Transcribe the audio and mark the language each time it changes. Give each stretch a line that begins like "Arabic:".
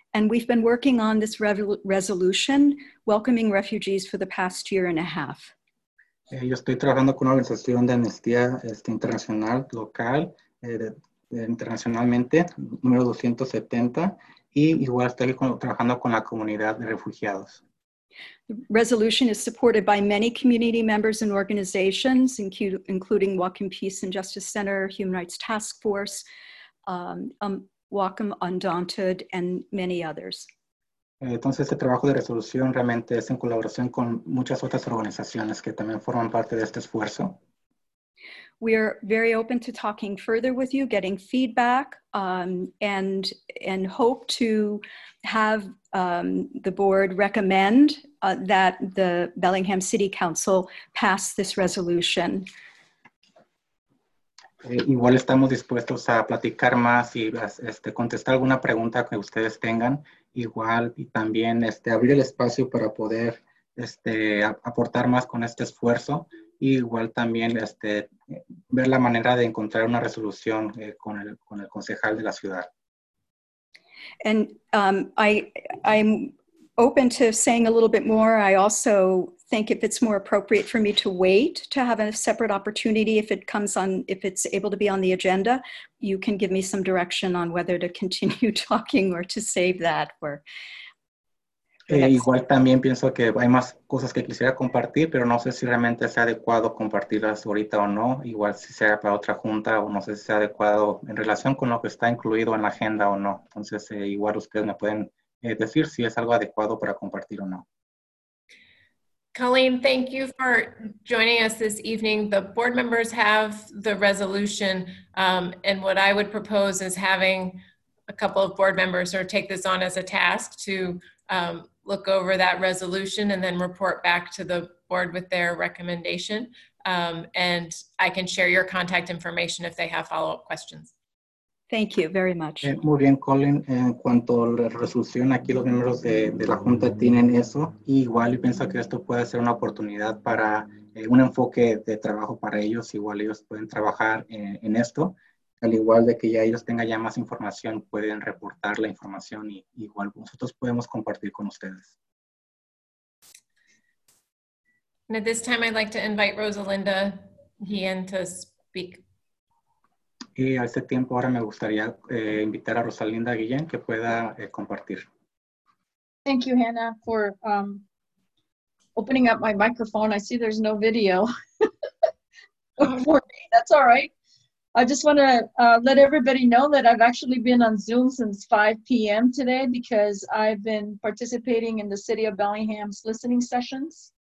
English: And we've been working on this resolution, welcoming refugees, for the past year and a half.
Spanish: Yo estoy trabajando con una organización de amnistía internacional, local, internacionalmente, número 270. Y igual estoy trabajando con la comunidad de refugiados.
English: The resolution is supported by many community members and organizations, including Joaquin Peace and Justice Center, Human Rights Task Force, Welcome Undaunted, and many others.
Spanish: Entonces, este trabajo de resolución realmente es en colaboración con muchas otras organizaciones que también forman parte de este esfuerzo.
English: We are very open to talking further with you, getting feedback, and hope to have the board recommend that the Bellingham City Council pass this resolution.
Spanish: Igual estamos dispuestos a platicar más y contestar alguna pregunta que ustedes tengan. Igual y también abrir el espacio para poder aportar más con este esfuerzo. Y igual también ver la manera de encontrar una resolución con el concejal de la ciudad.
English: And I'm open to saying a little bit more. I also think if it's more appropriate for me to wait to have a separate opportunity, if it's able to be on the agenda, you can give me some direction on whether to continue talking or to save that.
Spanish: Igual también pienso que hay más cosas que quisiera compartir, pero no sé si realmente sea adecuado compartirlas ahorita o no. Igual si sea para otra junta, o no sé si sea adecuado en relación con lo que está incluido en la agenda o no. Entonces, igual ustedes me pueden decir si es algo adecuado para compartir o no.
English: Colleen, thank you for joining us this evening. The board members have the resolution, and what I would propose is having a couple of board members sort of take this on as a task to look over that resolution and then report back to the board with their recommendation. And I can share your contact information if they have follow-up questions. Thank you very much.
Spanish: Muy bien, Colin. En cuanto a la resolución, aquí los miembros de la Junta tienen eso. Igual pienso que esto puede ser una oportunidad para un enfoque de trabajo para ellos. Igual ellos pueden trabajar en esto. Al igual de que ya ellos tengan ya más información, pueden reportar la información y igual nosotros podemos compartir con ustedes.
English: And at this time, I'd like to invite Rosalinda Guillen to speak.
Spanish: Y a este tiempo ahora me gustaría invitar a Rosalinda Guillen que pueda compartir.
English: Thank you, Hannah, for opening up my microphone. I see there's no video. That's all right. I just want to let everybody know that I've actually been on Zoom since 5 p.m. today because I've been participating in the City of Bellingham's listening sessions.